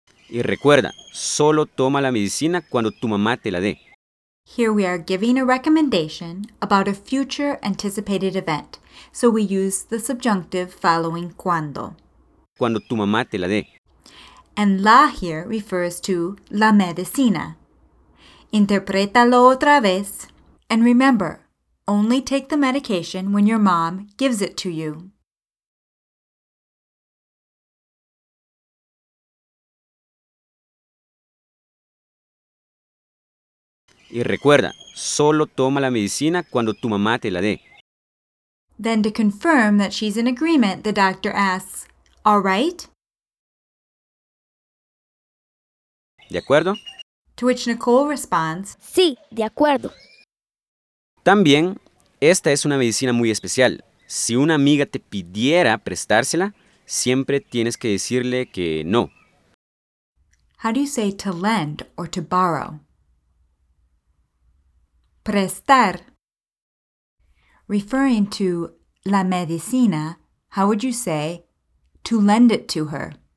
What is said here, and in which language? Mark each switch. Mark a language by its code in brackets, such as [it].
[es] Y recuerda, solo toma la medicina cuando tu mamá te la dé. [en] Here we are giving a recommendation about a future anticipated event, so we use the subjunctive following cuando. [es] Cuando tu mamá te la dé. [en] And la here refers to la medicina. [es] Interprétalo otra vez. [en] And remember, only take the medication when your mom gives it to you. [es] Y recuerda, solo toma la medicina cuando tu mamá te la dé. [en] Then to confirm that she's in agreement, the doctor asks, "All right?" [es] ¿De acuerdo? [en] To which Nicole responds, [es] Sí, de acuerdo. También, esta es una medicina muy especial. Si una amiga te pidiera prestársela, siempre tienes que decirle que no. [en] How do you say to lend or to borrow? Prestar. Referring to la medicina, how would you say to lend it to her?